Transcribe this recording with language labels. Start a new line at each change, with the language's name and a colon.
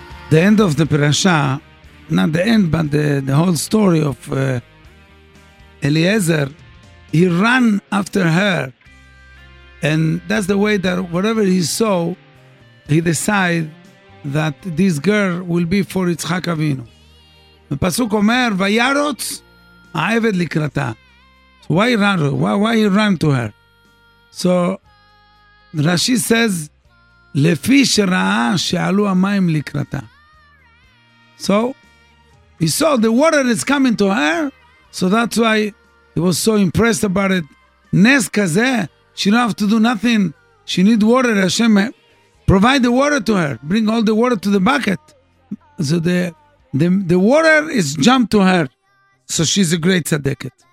English: the end of the parasha, not the end, but the whole story of Eliezer, he ran after her. And that's the way that whatever he saw, he decided that this girl will be for Yitzhak Avinu.
Hebrew: ופסוק אומר, וירוץ העבד לקראתה.
English: So why run? Why he ran to her? So Rashi says,
Hebrew: לפי שראה שעלו המים לקראתה.
English: So he saw the water is coming to her, so that's why he was so impressed about it.
Hebrew: נס כזה,
English: she don't have to do nothing. She need water. Hashem provide the water to her. Bring all the water to the bucket. So the water is jumped to her. So she's a great tzaddiket.